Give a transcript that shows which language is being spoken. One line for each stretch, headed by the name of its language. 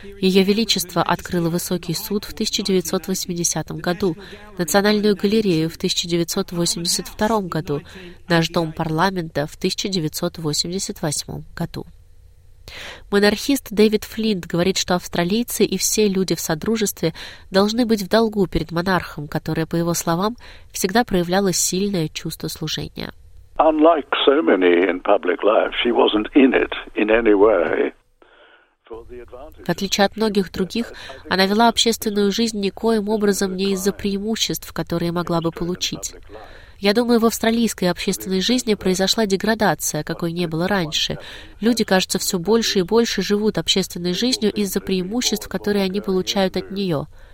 Russian: Ее Величество открыло Высокий суд в 1980 году, Национальную галерею в 1982 году, наш Дом парламента в 1988 году. Монархист Дэвид Флинт говорит, что австралийцы и все люди в содружестве должны быть в долгу перед монархом, которое, по его словам, всегда проявляло сильное чувство служения.
English: Unlike so many in public life, she wasn't in it in any way.
Russian: В отличие от многих других, она вела общественную жизнь никоим образом не из-за преимуществ, которые могла бы получить. Я думаю, в австралийской общественной жизни произошла деградация, какой не было раньше. Люди, кажется, все больше и больше живут общественной жизнью из-за преимуществ, которые они получают от нее.